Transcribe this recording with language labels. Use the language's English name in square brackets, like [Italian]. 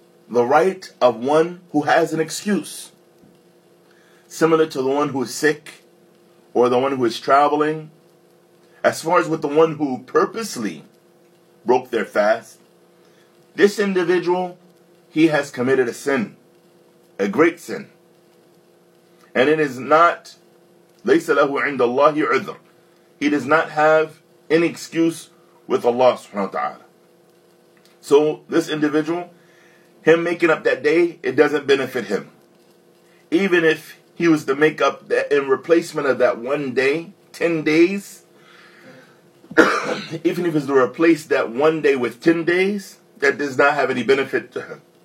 [English] the right of one who has an excuse. Similar to the one who is sick or the one who is traveling. As far as with the one who purposely broke their fast, this individual, he has committed a sin, a great sin. And it is not, [Arabic] لَيْسَ لَهُ عِنْدَ اللَّهِ عُذْرٌ. [English] He does not have any excuse with Allah subhanahu wa ta'ala. So this individual, him making up that day, it doesn't benefit him. Even if he was to make up that in replacement of that one day, 10 days, even if he's to replace that one day with 10 days, that does not have any benefit to him.